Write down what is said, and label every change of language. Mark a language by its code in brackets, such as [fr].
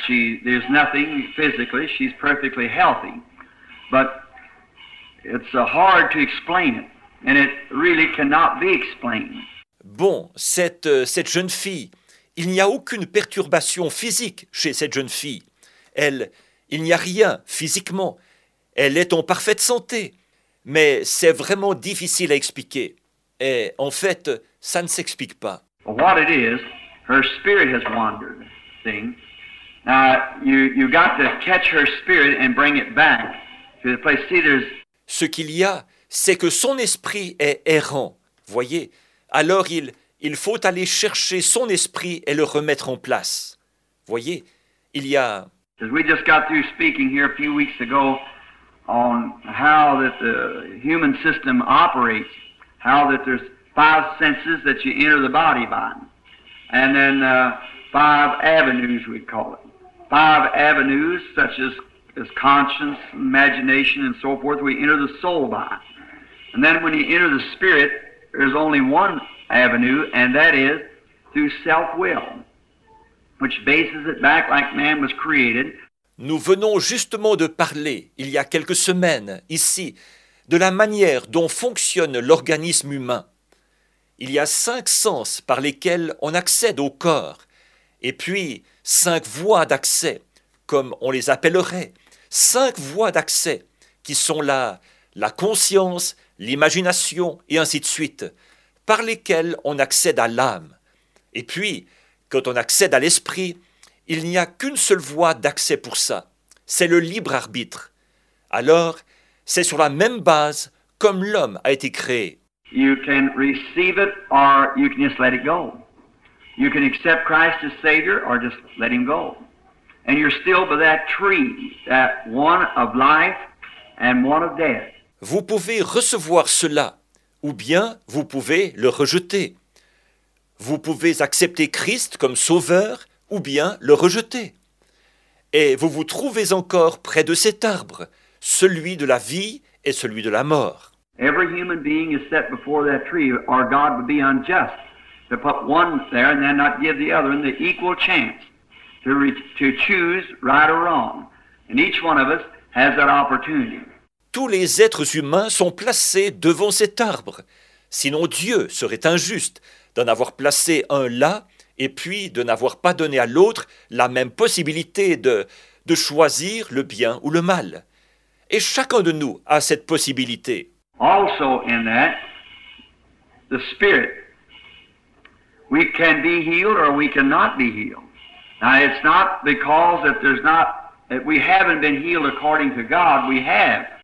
[en] There's nothing physically. She's perfectly healthy. But it's hard to explain it. And it really cannot be explained. [fr] Bon, cette jeune fille, il n'y a aucune perturbation physique chez cette jeune fille. Elle, il n'y a rien physiquement. Elle est en parfaite santé. Mais c'est vraiment difficile à expliquer. Et en fait, ça ne s'explique pas. [en] What it is, her spirit has wandered. Thing. Now, you got to catch her spirit and bring it back to the place. See, there's. [fr] Ce qu'il y a, c'est que son esprit est errant. Voyez. Alors il faut aller chercher son esprit et le remettre en place. Voyez. Il y a. [en] Because we just got through speaking here a few weeks ago on how that the human system operates. How that there's five senses that you enter the body by. And then five avenues, we call it. Five avenues, such as conscience, imagination, and so forth, we enter the soul by. And then when you enter the spirit, there's only one avenue, and that is through self-will, which bases it back like man was created. [fr] Nous venons justement de parler, il y a quelques semaines, ici, de la manière dont fonctionne l'organisme humain. Il y a cinq sens par lesquels on accède au corps, et puis cinq voies d'accès, comme on les appellerait, cinq voies d'accès qui sont la conscience, l'imagination, et ainsi de suite, par lesquelles on accède à l'âme. Et puis, quand on accède à l'esprit, il n'y a qu'une seule voie d'accès pour ça, c'est le libre arbitre. Alors, c'est sur la même base comme l'homme a été créé. [en] You can receive it or you can just let it go. You can accept Christ as Savior or just let him go. And you're still by that tree, that one of life and one of death. [fr] Vous pouvez recevoir cela ou bien vous pouvez le rejeter. Vous pouvez accepter Christ comme sauveur ou bien le rejeter. Et vous vous trouvez encore près de cet arbre, celui de la vie et celui de la mort. [en] Every human being is set before that tree, or God would be unjust to put one there and then not give the other the equal chance to choose right or wrong. And each one of us has that opportunity. [fr] Tous les êtres humains sont placés devant cet arbre. Sinon Dieu serait injuste d'en avoir placé un là et puis de n'avoir pas donné à l'autre la même possibilité de choisir le bien ou le mal. Et chacun de nous a cette possibilité. [en] Also in that, the spirit, we can be healed or we cannot be healed. Now it's not because that there's not, that we haven't been healed according to God, we have.